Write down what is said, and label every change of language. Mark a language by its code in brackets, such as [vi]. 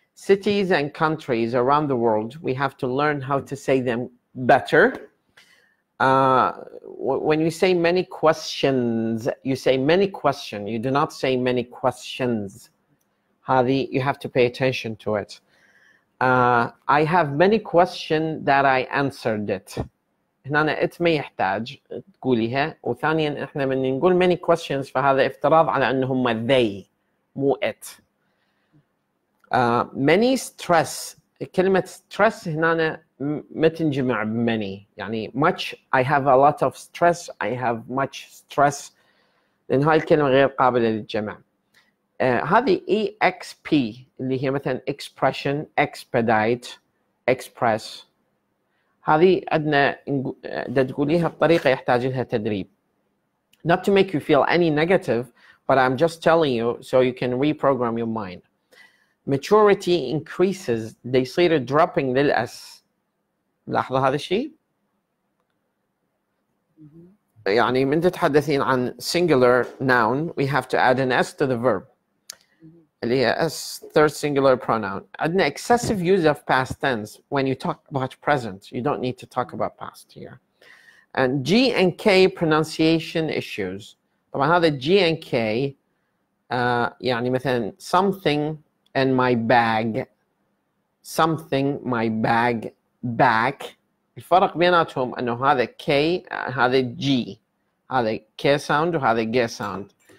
[en] Cities and countries around the world, we have to learn how to say them better. When you say many questions, you say many questions. You do not say many questions. Hadi, you have to pay attention to it. I have many questions that I answered it. [ar] هنا أنا إت ما يحتاج تقوليها وثانياً إحنا من نقول many questions فهذا افتراض على أنهم they مو إت many stress كلمة stress هنا ما تنجمع many يعني much. [en] I have a lot of stress. I have much stress. [ar] لأن هاي الكلمة غير قابلة للجمع. هذه exp اللي هي مثلا expression, expedite, express. هذه عندنا تقوليها بطريقة يحتاج لها تدريب. [en] Not to make you feel any negative, but I'm just telling you so you can reprogram your mind. Maturity increases. They see the dropping للأس. لاحظوا هذا الشيء؟ يعني من تتحدثين عن singular noun, we have to add an S to the verb. اللي هي S, third singular pronoun. عندنا excessive use of past tense when you talk about present. You don't need to talk about past here. And G and K pronunciation issues. طبعا هذا G and K يعني مثلا something and my bag. Something, my bag, back. [ar] الفرق بيناتهم أنه هذا K, هذا G. هذا K sound وهذا G sound.